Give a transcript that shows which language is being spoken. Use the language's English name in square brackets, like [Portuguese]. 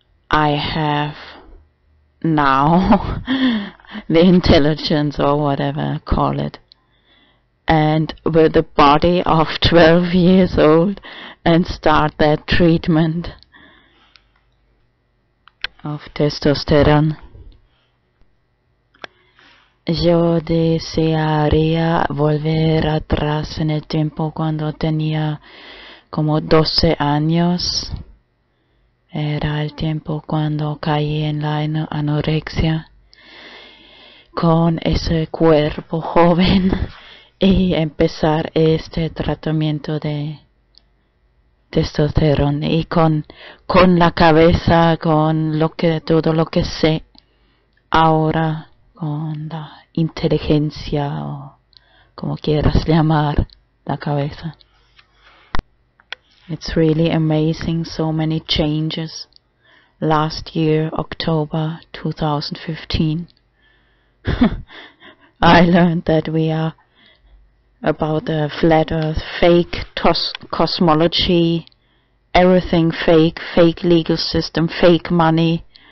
[English] I have now, the intelligence or whatever call it, and with the body of 12 years old, and start that treatment of testosterone. [Spanish] Yo desearía volver atrás en el tiempo cuando tenía como 12 años. Era el tiempo cuando caí en la anorexia con ese cuerpo joven y empezar este tratamiento de testosterona y con la cabeza, con lo que todo lo que sé ahora, con la inteligencia o como quieras llamar la cabeza. [English] It's really amazing, so many changes. Last year, October 2015, I learned that we are about the flat earth, fake cosmology, everything fake, fake legal system, fake money.